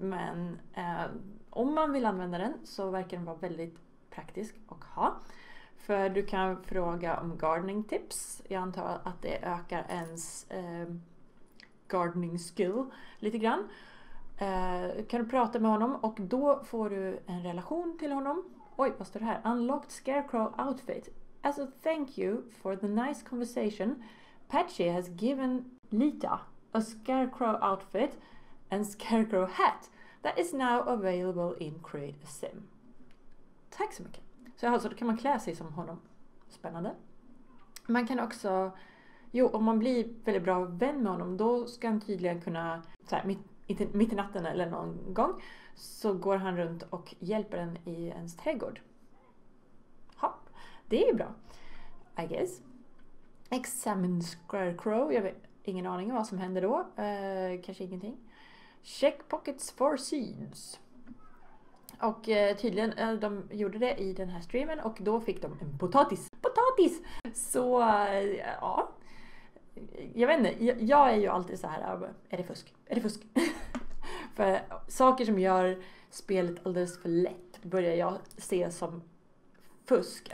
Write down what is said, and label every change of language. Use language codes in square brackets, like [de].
[sv] Men om man vill använda den så verkar den vara väldigt praktisk att ha. För du kan fråga om gardening tips. Jag antar att det ökar ens gardening skill lite grann. Kan du prata med honom och då får du en relation till honom. Oj, vad står det här? [en] Unlocked Scarecrow outfit. As a thank you for the nice conversation, Patchy has given Lita a Scarecrow outfit and Scarecrow hat that is now available in Create a Sim. [sv] Tack så mycket. Så alltså, då kan man klä sig som honom. Spännande. Man kan också, jo, om man blir väldigt bra vän med honom, då ska han tydligen kunna, så här, mitt i natten eller någon gång, så går han runt och hjälper en i ens trädgård. Ja, det är ju bra. [en] I guess. Examine Scarecrow. [sv] Jag vet ingen aning om vad som händer då. Kanske ingenting. [en] Check pockets for seeds. [sv] Och tydligen, de gjorde det i den här streamen och då fick de en potatis. Potatis! Så, ja. Jag vet inte, jag är ju alltid så här, är det fusk? Är det fusk? För saker som gör spelet alldeles för lätt börjar jag se som fusk.